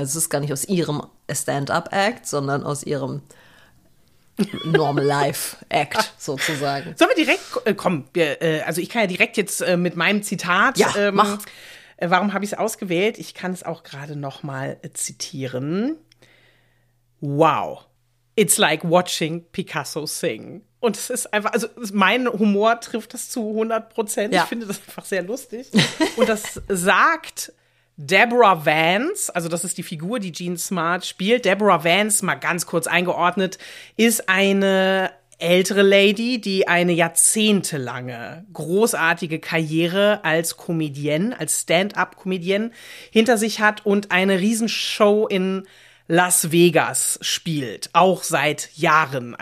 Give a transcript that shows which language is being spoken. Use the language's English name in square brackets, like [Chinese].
[German] Es ist gar nicht aus ihrem Stand-up-Act, sondern aus ihrem Normal-Life-Act sozusagen. Sollen wir direkt, komm, also ich kann ja direkt jetzt mit meinem Zitat, Ja, mach. warum habe ich es ausgewählt? Ich kann es auch gerade noch mal zitieren. [English] Wow. It's like watching Picasso sing. [German] Und es ist einfach, also mein Humor trifft das zu 100%. Ich Ja. finde das einfach sehr lustig. Und das sagt Deborah Vance, also das ist die Figur, die Jean Smart spielt. Deborah Vance, mal ganz kurz eingeordnet, ist eine ältere Lady, die eine jahrzehntelange großartige Karriere als Comedienne, als Stand-up-Comedienne hinter sich hat und eine Riesenshow in Las Vegas spielt, auch seit Jahren.